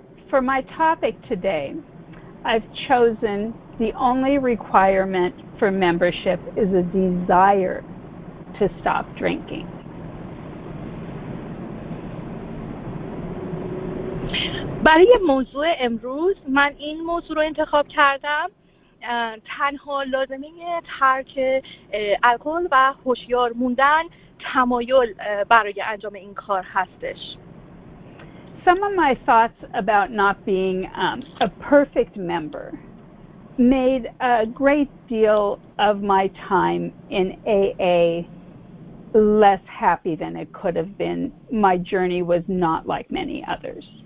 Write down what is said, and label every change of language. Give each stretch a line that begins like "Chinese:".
English: For my topic today, I've chosen the only requirement for membership is a desire to stop drinking.
Persian: برای موضوع امروز من این موضوع رو انتخاب کردم. تنها لازمه ترک الکل و هوشیار موندن تمایل برای انجام این کار هستش.
English: Some of my thoughts about not being a perfect member made a great deal of my time in AA less happy than it could have been. My journey was not like many others.